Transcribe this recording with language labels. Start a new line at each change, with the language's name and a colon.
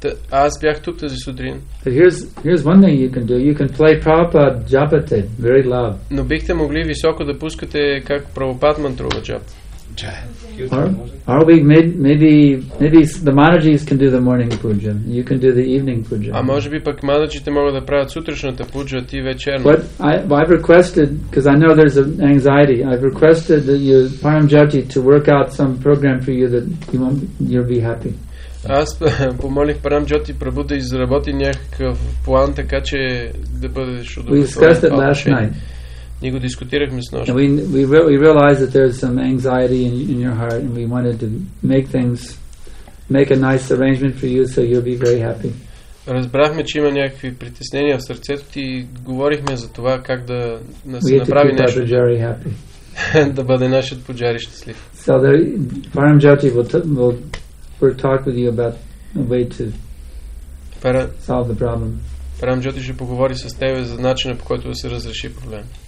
Bulgarian: Аз бях тук тази сутрин.
English: But here's one thing you can do. You can play Prabhupada Japate very loud.
Bulgarian: Но бихте могли високо да пускате как Прабхупад мантрува джап.
English: Are we maybe the Mataji's can do the morning puja. You can do the evening puja.
Bulgarian: А може би пък Mataji-те могат да правят сутрешната пуджа, ти вечерна.
English: But I've requested, because I know there's an anxiety, I've requested that you Paramjati to work out some program for you that you won't, you'll be happy.
Bulgarian: Аз помолих Парамджоти Прабу да изработи някакъв план, така че да бъдеш удобен.
English: We discussed it last night.
Bulgarian: Ние го дискутирахме с нощ.
English: We realized that there's some anxiety in your heart and we wanted to make things, make a nice arrangement for you so you'll be very happy.
Bulgarian: Разбрахме, че има някакви притеснения в сърцето ти и говорихме за това как да се направи нещо.
English: We had to keep our Pujari happy.
Bulgarian: Да бъде нашият Pujari щастлив.
English: So there, Парамджоти will talk with you about a way to solve the problem.
Bulgarian: Парамджоти ще поговори с тебе за начина, по който да се разреши проблем.